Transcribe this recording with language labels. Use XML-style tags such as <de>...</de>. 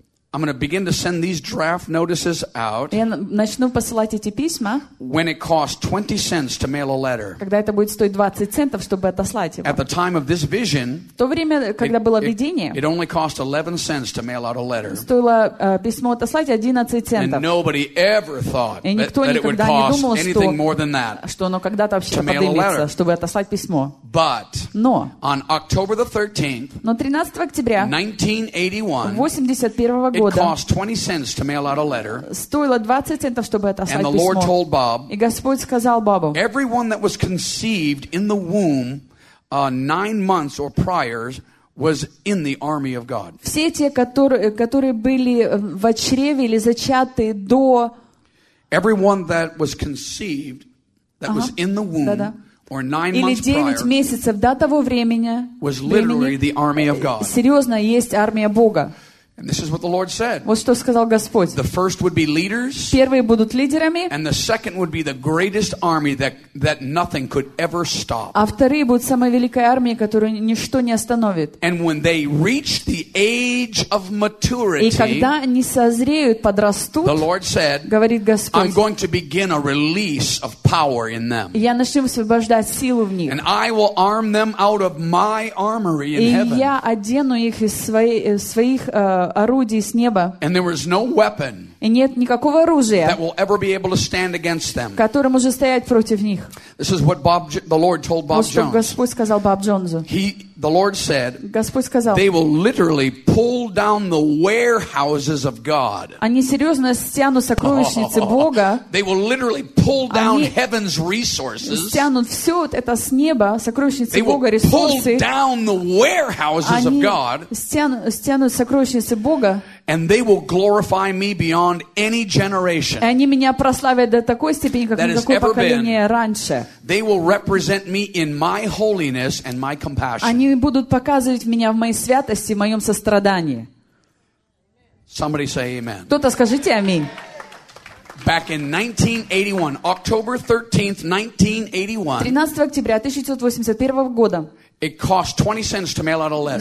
<ru>я начну посылать эти письма,</ru> <en>when it costs 20 cents to mail a letter.</en> <ru>Когда это будет стоить 20 центов, чтобы отослать его.</ru> <en>At the time of this vision,</en> <ru>в то время, когда было видение,</ru> <en>it only cost 11 cents to mail out a letter.</en> <ru>Стоило письмо отослать 11 центов.</ru> <en>And nobody ever thought</en> <ru>И никто</ru> <en>that</en> <ru>никогда</ru> <en>it would cost</en> <ru>не думал,</ru> <en>anything more than that,</en> <ru>что оно когда-то вообще поднимется, чтобы отослать письмо.</ru> <en>But,</en> <ru>Но</ru> <en>on October the 13th,</en> <ru>13 октября 1981 года,</ru> <en>it cost 20 cents to mail out a letter,</en> <ru>стоило 20 центов, чтобы отослать письмо.</ru> <en>And the Lord</en> <ru>письмо.</ru> <en>Told Bob,</en> <ru>И Господь сказал Бобу,</ru> <en>Everyone that was conceived in the womb 9 months or prior was in the army of God.</en> <ru>Все те, которые были в чреве или зачаты до...</ru> <en>Everyone that was conceived, that was in the womb,</en> <ru>Да-да.</ru> <en>Or 9 months</en> <ru>Или 9</ru> <en>prior,</en> <ru>месяцев до того времени,</ru> <en>was literally the army of God.</en> <ru>Серьезно, есть армия Бога.</ru> <en>And this is what the Lord said.</en> <ru>Вот что сказал Господь.</ru> <en>The first would be leaders.</en> <ru>Первые будут лидерами.</ru> <en>And the second would be the greatest army that nothing could ever stop.</en> <ru>А вторые будут самой великой армией, которую ничто не остановит.</ru> <en>And when they reach the age of maturity,</en> <ru>И когда они созреют, подрастут,</ru> <en>the Lord said,</en> <ru>говорит Господь,</ru> <en>I'm going to begin a release of power in them.</en> <ru>Я начну высвобождать силу в них.</ru> <en>And I will arm them out of my armory in heaven.</en> <ru>И я одену их из своих орудий с неба.</ru> <en>And there was no weapon,</en> <ru>и нет никакого оружия,</ru> <en>that will ever be able to stand against them.</en> <ru>Которое может стоять против них.</ru> <en>This is what Bob, the Lord told Bob</en> <ru>Jones. Вот что Господь сказал Боб Джонсу.</ru> <en>The Lord said,</en> <ru>Господь сказал,</ru> <en>they will literally pull down the warehouses of God.</en> <ru>Они серьезно стянут сокровищницы Бога.</ru> <en>They will literally pull down heaven's resources.</en> <ru>Они стянут все вот это с неба, сокровищницы Бога, ресурсы.</ru> <en>They will pull down the warehouses of God.</en> <ru>Они стянут сокровищницы Бога.</ru> <en>And they will glorify me beyond any generation.</en> <ru>Они меня прославят до такой степени, как никакое поколение раньше.</ru> <en>They will represent me in my holiness and my compassion.</en> <ru>Они будут показывать меня в моей святости, в моем сострадании.</ru> <en>Somebody say amen.</en> <ru>Кто-то скажите аминь.</ru> <en>Back in 1981, October 13th, 1981.</en> <ru>13 октября 1981 года.</ru> <en>It cost 20 cents to mail out a letter.</en>